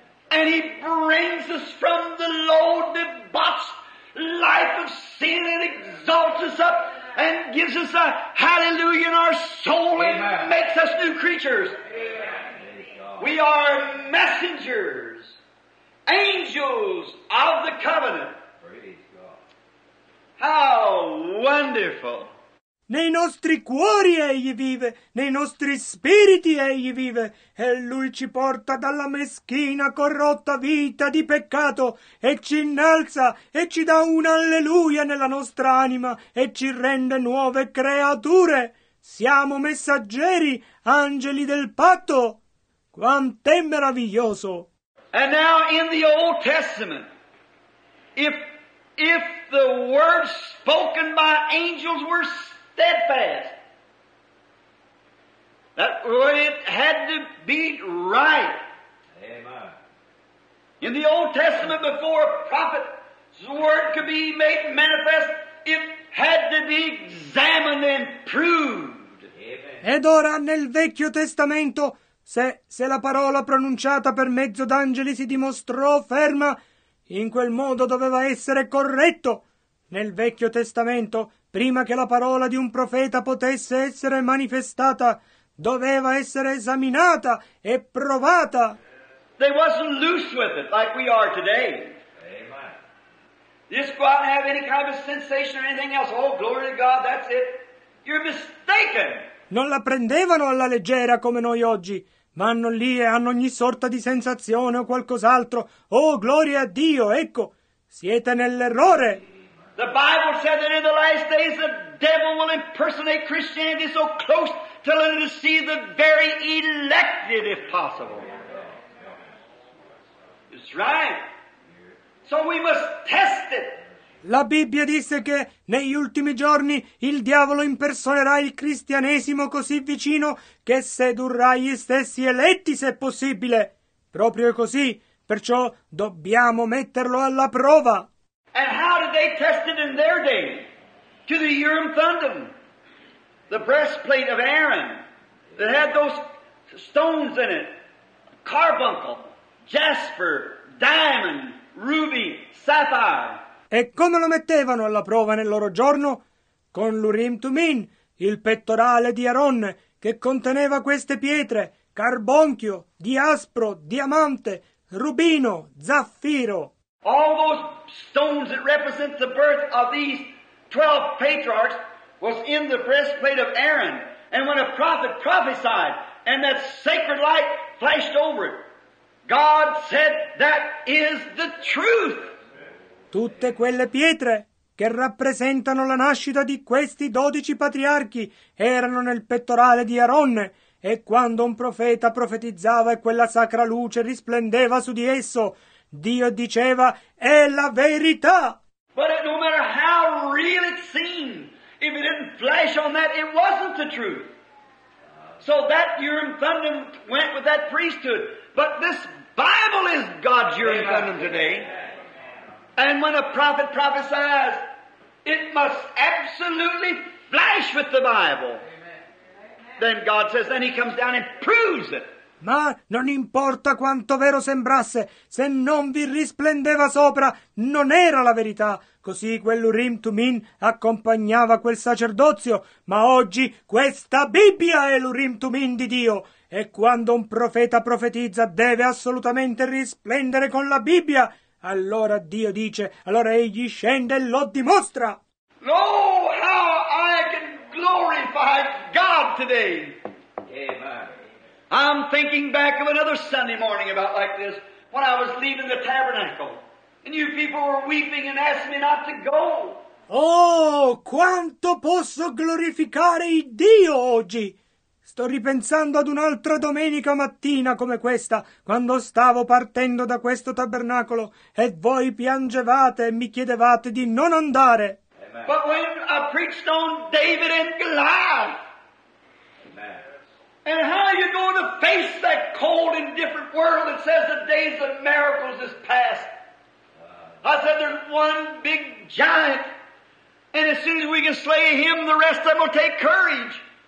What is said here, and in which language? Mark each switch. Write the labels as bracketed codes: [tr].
[en] And he brings us from the low, debauched life of sin and exalts us up and gives us a hallelujah in our soul. Amen. And makes us new creatures. Amen. We are messengers, angels of the covenant. Praise God. How wonderful. [it] Nei nostri cuori egli vive, nei nostri spiriti egli vive, e lui ci porta dalla meschina, corrotta vita di peccato, e ci innalza, e ci dà un alleluia nella nostra anima, e ci rende nuove creature. Siamo messaggeri, angeli del patto. Quant'è meraviglioso! [en] And now in the Old Testament, if the words spoken by angels were steadfast, that it had to be right. Amen. In the Old Testament, before a prophet's word could be made manifest, it had to be examined and proved. Amen. [it] Ed ora nel Vecchio Testamento, se la parola pronunciata per mezzo d'angeli si dimostrò ferma, in quel modo doveva essere corretto. Nel Vecchio Testamento, prima che la parola di un profeta potesse essere manifestata, doveva essere esaminata e provata. [en] They wasn't loose with it like we are today. Amen. Just go out and have any kind of sensation or anything else. Oh, glory to God, that's it. You're mistaken. [it] Non la prendevano alla leggera come noi oggi. Vanno lì e hanno ogni sorta di sensazione o qualcos'altro. Oh, gloria a Dio, ecco, siete nell'errore. [en] The Bible said that in the last days the devil will impersonate Christianity so close till it deceive the very elected, if possible. It's right. So we must test it. [it] La Bibbia disse che negli ultimi giorni il diavolo impersonerà il cristianesimo così vicino che sedurrà gli stessi eletti se possibile. Proprio così, perciò dobbiamo metterlo alla prova. [en] And how did they test it in their day? To the Urim Thummim, the breastplate of Aaron that had those stones in it, carbuncle, jasper, diamond, ruby, sapphire. [it] E come lo mettevano alla prova nel loro giorno? Con l'Urim Tumin, il pettorale di Aaron, che conteneva queste pietre, carbonchio, diaspro, diamante, rubino, zaffiro. [en] All those stones that represent the birth of these 12 patriarchs was in the breastplate of Aaron. And when a prophet prophesied and that sacred light flashed over it, God said that is the truth. [it] Tutte quelle pietre che rappresentano la nascita di questi 12 patriarchi erano nel pettorale di Aaron, e quando un profeta profetizzava e quella sacra luce risplendeva su di esso, Dio diceva: è la verità. [en] But no matter how real it seemed, if it didn't flash on that, it wasn't the truth. So that Urim Thummim went with that priesthood. But this Bible is God's Urim Thummim today. And when a prophet prophesies, it must absolutely flash with the Bible. Amen. Then God says, then he comes down and proves it. [it] Ma non importa quanto vero sembrasse, se non vi risplendeva sopra, non era la verità. Così quell'Urim Tumin accompagnava quel sacerdozio, ma oggi questa Bibbia è l'Urim Tumin di Dio. E quando un profeta profetizza deve assolutamente risplendere con la Bibbia. Allora Dio dice, allora egli scende e lo dimostra. [en] Oh, how I can glorify God today. Amen. I'm thinking back of another Sunday morning about like this, when I was leaving the tabernacle, and you people were weeping and asking me not to go. [it] Oh, quanto posso glorificare il Dio oggi! Sto ripensando ad un'altra domenica mattina come questa, quando stavo partendo da questo tabernacolo e voi piangevate e mi chiedevate di non andare. [en] Amen. But when I preached on David and Goliath, amen. And how are you going to face that cold and different world that says the days of miracles is past? I said there's one big giant, and as soon as we can slay him, the rest of them will take courage.